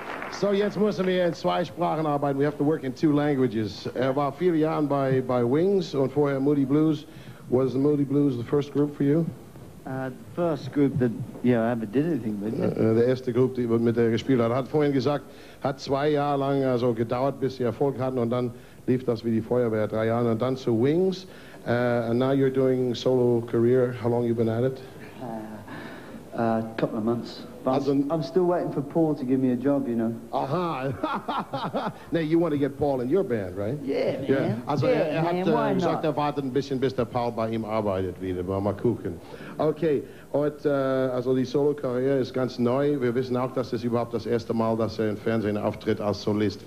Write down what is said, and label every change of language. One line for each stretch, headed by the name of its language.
German: So jetzt müssen wir in zwei Sprachen arbeiten.
English: We have to work in two languages.
German: Er war viele Jahre bei Wings und vorher Moody Blues.
English: Was the Moody Blues the first group for you? First group that, you know, ever did anything with you.
German: Der erste Group, die, mit der gespielt hat. Hat vorhin gesagt, hat zwei Jahre lang also gedauert, bis sie Erfolg hatten, und dann lief das wie die Feuerwehr, drei Jahre, und dann zu Wings.
English: And now you're doing solo career. How long you been at it? Couple of months. I'm still waiting for Paul to give me a job, you know. Aha! Now, you want to get Paul in your band, right? Yeah, man. Yeah.
German: Also, yeah, er hat gesagt, er wartet ein bisschen, bis der Paul bei ihm arbeitet wieder, bei Makuken. Okay, und also die Solo-Karriere ist ganz neu. Wir wissen auch, dass es überhaupt das erste Mal, dass er im Fernsehen auftritt als Solist.